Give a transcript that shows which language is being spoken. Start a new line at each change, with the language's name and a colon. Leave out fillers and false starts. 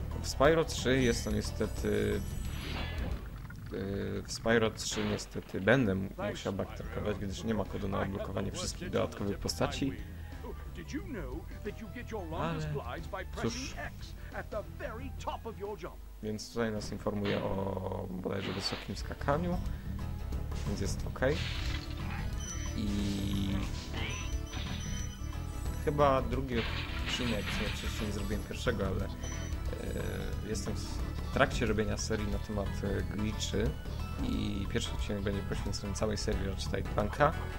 Polish: W Spyro 3 jest to niestety... W Spyro 3 niestety będę musiał backtrackować, gdyż nie ma kodu na odblokowanie wszystkich dodatkowych postaci.
English: Did you know that you get your longest glides by pressing X at the very top of your jump?
Polish: Więc tutaj nas informuje o bodajże wysokim skakaniu, więc jest ok. I chyba drugi odcinek, oczywiście nie zrobiłem pierwszego, ale jestem w trakcie robienia serii na temat glitchy i pierwszy odcinek będzie poświęcony całej serii Ratchet & Clanka.